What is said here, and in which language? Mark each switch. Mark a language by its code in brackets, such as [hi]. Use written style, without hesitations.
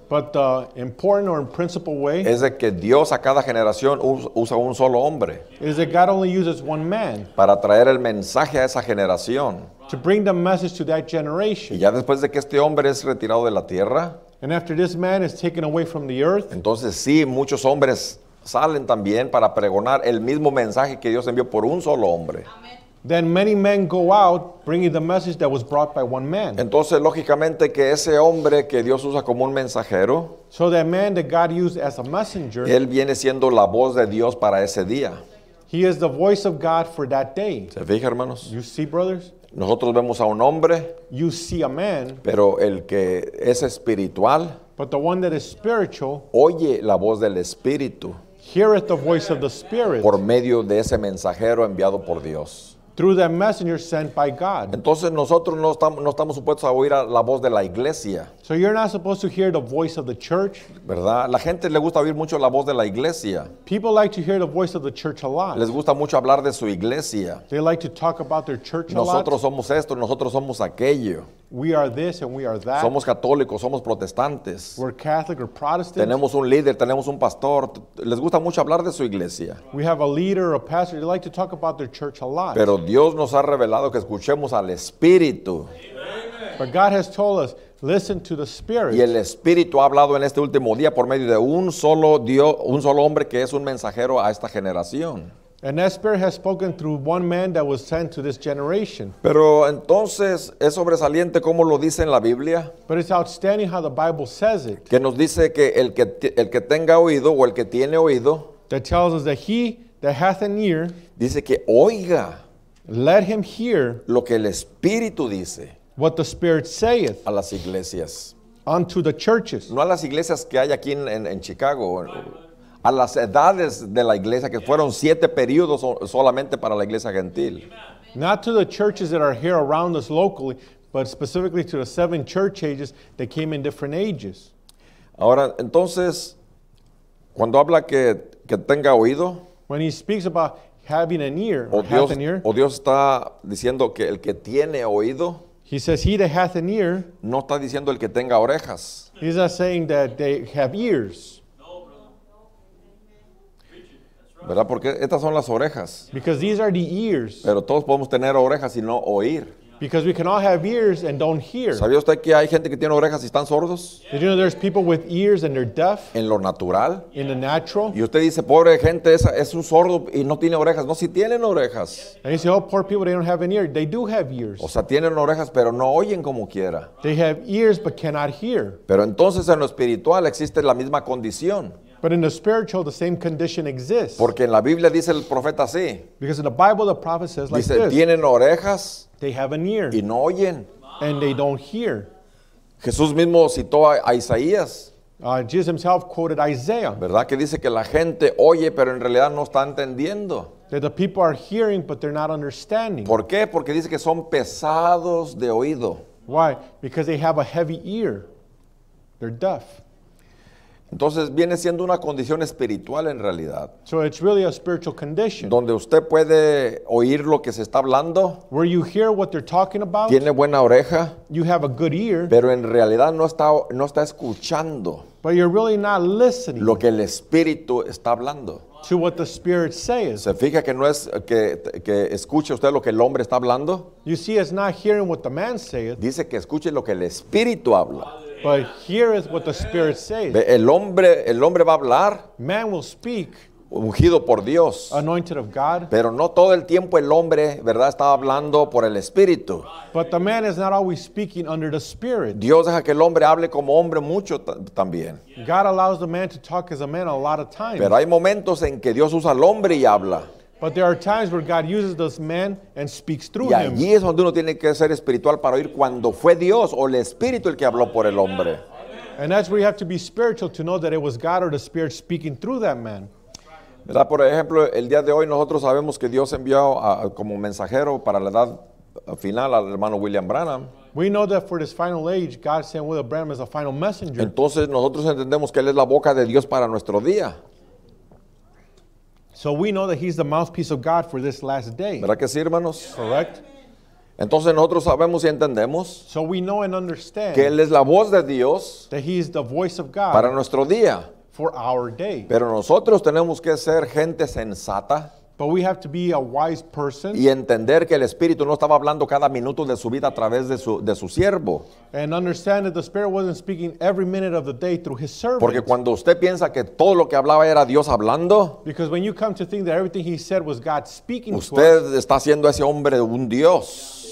[en] But the important or principal way. [es] Es de que Dios a cada generación usa un solo hombre. [en] Is that God only uses one man. [es] Para traer el mensaje a esa generación. [en] To bring the message to that generation. [es] Y ya después de que este hombre es retirado de la tierra. [en] And after this man is taken away from the earth. [es] Entonces sí, muchos hombres salen también para pregonar el mismo mensaje que Dios envió por un solo hombre. Amen. [en] Then many men go out bringing the message that was brought by one man. [es] Entonces lógicamente que ese hombre que Dios usa como un mensajero. [en] So that man that God used as a messenger. [es] Él viene siendo la voz de Dios para ese día. [en] He is the voice of God for that day. [es] ¿Se fija, hermanos? [en] You see, brothers? [es] Nosotros vemos a un hombre. [en] You see a man. [es] Pero el que es espiritual. [en] But the one that is spiritual. [es] Oye la voz del Espíritu. [en] Heareth the voice of the Spirit. [es] Por medio de ese mensajero enviado por Dios. [en] Through that messenger sent by God. [es] Entonces nosotros no estamos supuestos a oír a la voz de la iglesia. [en] So you're not supposed to hear the voice of the church. [es] ¿Verdad? La gente le gusta oír mucho la voz de la iglesia. [en] People like to hear the voice of the church a lot. [es] Les gusta mucho hablar de su iglesia. [en] They like to talk about their church a lot. [es] Nosotros somos esto, nosotros somos aquello. [en] We are this and we are that. [es] Somos católicos, somos protestantes. [en] We're Catholic or Protestant. [es] Tenemos un líder, tenemos un pastor. Les gusta mucho hablar de su iglesia. [en] We have a leader or a pastor. They like to talk about their church a lot. [es] Pero Dios nos ha revelado que escuchemos al Espíritu. Amen. [en] But God has told us, listen to the Spirit. [es] Y el Espíritu ha hablado en este último día por medio de un solo Dios, un solo hombre que es un mensajero a esta generación. [en] And that Spirit has spoken through one man that was sent to this generation. [es] Pero entonces, ¿es sobresaliente como lo dice en la Biblia? [en] But it's outstanding how the Bible says it. [es] Que nos dice que el que tenga oído o el que tiene oído. [en] That tells us that he that hath an ear. [es] Dice que oiga. [en] Let him hear. [es] Lo que el Espíritu dice. [en] What the Spirit saith. [es] A las iglesias. [en] Unto the churches. [es] No a las iglesias que hay aquí en Chicago. A las edades de la iglesia, que fueron 7 periodos solamente para la iglesia gentil. [en] Not to the churches that are here around us locally, but specifically to the 7 church ages that came in different ages. [es] Ahora, entonces, cuando habla que tenga oído. [en] When he speaks about having an ear, or [es] Dios, [en] hath an ear. [es] O Dios está diciendo que el que tiene oído. [en] He says he that hath an ear. [es] No está diciendo el que tenga orejas. [en] He's not saying that they have ears. [es] ¿Verdad? Porque estas son las orejas. [en] Because these are the ears. [es] Pero todos podemos tener orejas y no oír. [en] Because we can all have ears and don't hear. [es] ¿Sabía usted que hay gente que tiene orejas y están sordos? [en] Did you know there's people with ears and they're deaf? [es] En lo natural. [en] In the natural. [es] Y usted dice, pobre gente, esa es un sordo y no tiene orejas. No, si tienen orejas. [en] And you say, oh, poor people, they don't have an ear. They do have ears. [es] O sea, tienen orejas, pero no oyen como quiera. [en] They have ears but cannot hear. [es] Pero entonces en lo espiritual existe la misma condición. [en] But in the spiritual, the same condition exists. [es] Porque en la Biblia dice el profeta así. [en] Because in the Bible, the prophet says [es] dice, [en] like this. [es] Tienen orejas. [en] They have an ear. [es] Y no oyen. [en] And they don't hear. [es] Jesús mismo citó a Isaías. [en] Jesus himself quoted Isaiah. [es] ¿Verdad? Que dice que la gente oye, pero en realidad no está entendiendo. [en] That the people are hearing, but they're not understanding. [es] ¿Por qué? Porque dice que son pesados de oído. [en] Why? Because they have a heavy ear. They're deaf. [es] Entonces viene siendo una condición espiritual en realidad. [en] So it's really a spiritual condition. [es] Donde usted puede oír lo que se está hablando. [en] Where you hear what they're talking about. [es] Tiene buena oreja. [en] You have a good ear. [es] Pero en realidad no está escuchando. [en] But you're really not listening. [es] Lo que el Espíritu está hablando. [en] To what the Spirit says. [es] ¿Se fija que no es que escuche usted lo que el hombre está hablando? [en] You see, it's not hearing what the man says. [es] Dice que escuche lo que el Espíritu habla. [en] But here is what the Spirit says. [es] El hombre va a hablar. [en] Man will speak. [es] Ungido por Dios. [en] Anointed of God. [es] Pero no todo el tiempo el hombre, ¿verdad? Está hablando por el Espíritu. [en] But the man is not always speaking under the Spirit. [es] Dios deja que el hombre hable como hombre mucho también. [en] God allows the man to talk as a man a lot of times. [es] Pero hay momentos en que Dios usa al hombre y habla. [en] But there are times where God uses this man and speaks through him. [es] Y allí [en] him. [es] Es donde uno tiene que ser espiritual para oír cuando fue Dios o el Espíritu el que habló por el hombre. [en] And that's where you have to be spiritual to know that it was God or the Spirit speaking through that man. [es] ¿Verdad? Por ejemplo, el día de hoy nosotros sabemos que Dios envió como mensajero para la edad final al hermano William Branham. [en] We know that for this final age, God sent William Branham as a final messenger. [es] Entonces nosotros entendemos que él es la boca de Dios para nuestro día. [en] So we know that he's the mouthpiece of God for this last day. [es] ¿Verdad que sí, hermanos? [en] Correct. [es] Entonces nosotros sabemos y entendemos [en] so we know and understand [es] que él es la voz de Dios [en] that he is the voice of God [es] para nuestro día. [en] For our day. [es] Pero nosotros tenemos que ser gente sensata. [en] But we have to be a wise person. [es] Y entender que el Espíritu no estaba hablando cada minuto de su vida a través de su siervo. [en] And understand that the Spirit wasn't speaking every minute of the day through his servant. [es] Porque cuando usted piensa que todo lo que hablaba era Dios hablando, [en] because when you come to think that everything he said was God speaking to us, [es] usted está haciendo ese hombre un Dios.